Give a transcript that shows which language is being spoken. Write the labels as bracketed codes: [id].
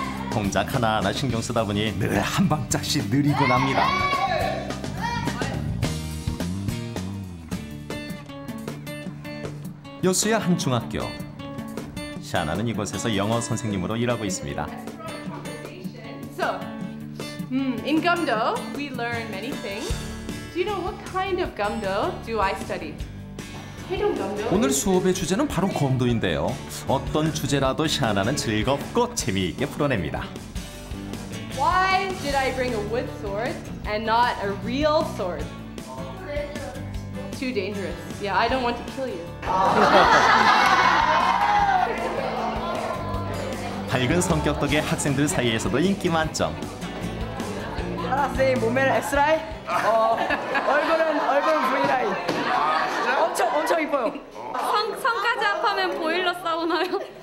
[ko] 동작 하나하나 신경 쓰다 보니 늘 한 박자씩 느리고 납니다. 여수의 한 중학교. 샤나는 이곳에서 영어 선생님으로 일하고 있습니다. [en] So, in Gumdo, we learn many things. Do you know what kind of gumdo do I study? [ko] 오늘 수업의 주제는 바로 검도인데요. 어떤 주제라도 샤나는 즐겁고 재미있게 풀어냅니다. [en] Why did I bring a wood sword and not a real sword? Too dangerous. Yeah, I don't want to kill you. [ko] 밝은 성격 덕에 학생들 사이에서도 인기 만점. 샤나 쌤 몸매는 S라인? 얼굴은 V라인. 엄청 이뻐요. 성까지 합하면 보일러 사우나요?